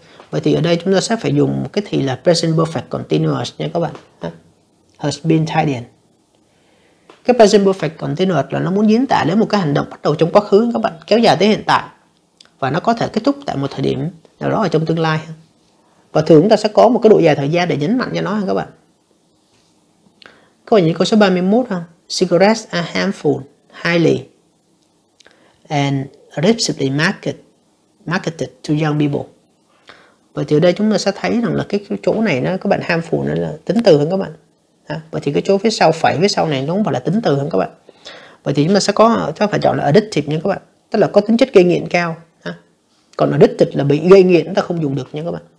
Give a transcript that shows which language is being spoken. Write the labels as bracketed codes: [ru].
[vi] Vậy thì ở đây chúng ta sẽ phải dùng cái thì là present perfect continuous nha các bạn. [en] Has been tidying. [vi] Cái present perfect continuous là nó muốn diễn tả đến một cái hành động bắt đầu trong quá khứ các bạn, kéo dài tới hiện tại. Và nó có thể kết thúc tại một thời điểm nào đó ở trong tương lai. Và thường chúng ta sẽ có một cái độ dài thời gian để nhấn mạnh cho nó ha các bạn. Các bạn nhìn câu số 31 ha. [en] Cigarettes are harmful, highly and aggressively marketed to young people. [vi] Vậy thì ở đây chúng ta sẽ thấy rằng là cái chỗ này nó các bạn harmful nó là tính từ hơn các bạn. Vậy thì cái chỗ phía sau phải phía sau này nó cũng phải là tính từ hơn các bạn. Vậy thì chúng ta sẽ có cho phải chọn là addictive nha các bạn. Tức là có tính chất gây nghiện cao. Còn addictive là bị gây nghiện chúng ta không dùng được nha các bạn.